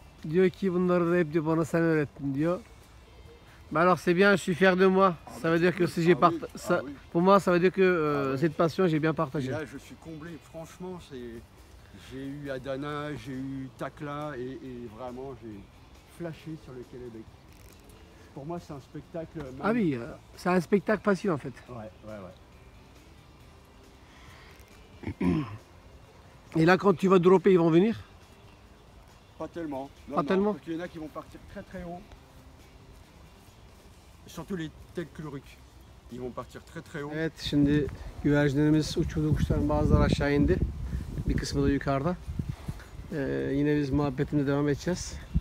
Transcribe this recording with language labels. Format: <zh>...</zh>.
<tr>Diyor ki bunları da hep bana sen öğrettin diyor.</tr> <fr>Mais alors c'est bien, je suis fier de moi. Ça veut dire que si j'ai pour moi ça veut dire que cette passion j'ai bien partagé. Là je suis comblé, franchement c'est j'ai eu Adana, j'ai eu Takla et vraiment j'ai flashé sur le Québec. Pour moi, c'est un spectacle. Ah oui, c'est un spectacle passion en fait. Ouais. Et là, quand tu vas dropper, ils vont venir? Pas tellement. Non, pas non, tellement. Il y en a qui vont partir très très haut. Surtout les tels chloriques. Ils vont partir très très haut.</fr> <tr>Evet, şimdi güvercinlerimiz uçurdu kuşlar, bazıları aşağı indi. Bir kısmı da yukarıda. Yine biz muhabbetimize devam edeceğiz.</tr>